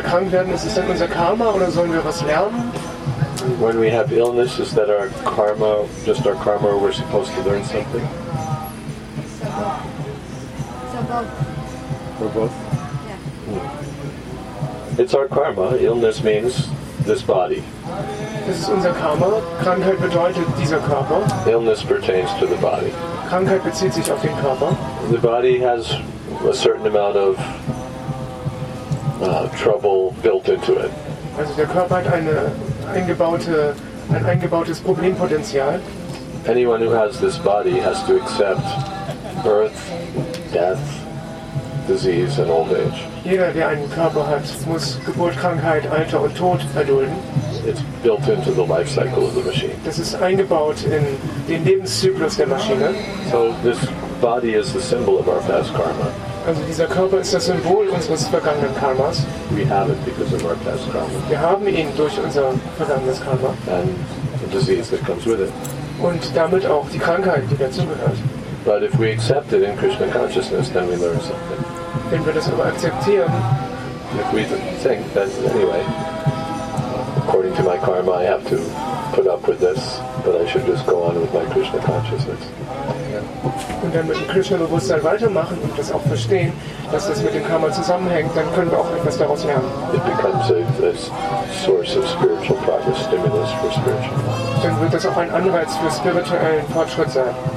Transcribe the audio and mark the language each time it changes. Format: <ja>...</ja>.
<de>Werden, ist es denn unser Karma oder sollen wir was lernen?</de> <en>When we have illness, is that our karma, just our karma, or we're supposed to learn something? So both. We're both? Yeah. It's our karma. Illness means this body.</en> <de>Es ist unser Karma. Krankheit bedeutet dieser Körper.</de> <en>Illness pertains to the body.</en> <de>Krankheit bezieht sich auf den Körper.</de> <en>The body has a certain amount of trouble built into it.</en> <de>Also der Körper hat ein eingebautes Problempotenzial.</de> <en>Anyone who has this body has to accept birth, death, disease and old age.</en> <de>Jeder, der einen Körper hat, muss Geburt, Krankheit, Alter und Tod erdulden.</de> <en>It's built into the life cycle of the machine.</en> <de>Das ist eingebaut in den Lebenszyklus der Maschine.</de> <en>So this body is the symbol of our past karma.</en> <de>Also dieser Körper ist das Symbol unseres vergangenen Karmas.</de> <en>We have it because of our past karma.</en> <de>Wir haben ihn durch unser vergangenes Karma.</de> <en>And the disease that comes with it.</en> <de>Und damit auch die Krankheit, die dazu gehört.</de> <en>But if we accept it in Krishna consciousness, then we learn something.</en> <de>Wenn wir das aber akzeptieren,</de> <en>if we think that anyway, according to my karma, I have to put up with this, but I should just go on with my Krishna consciousness.</en> <de>Und wenn wir mit dem Krishna-Bewusstsein weitermachen und das auch verstehen, dass das mit dem Karma zusammenhängt, dann können wir auch etwas daraus lernen.</de> <en>It becomes a source of spiritual progress, stimulus for spiritual progress.</en> <de>Dann wird das auch ein Anreiz für spirituellen Fortschritt sein.</de>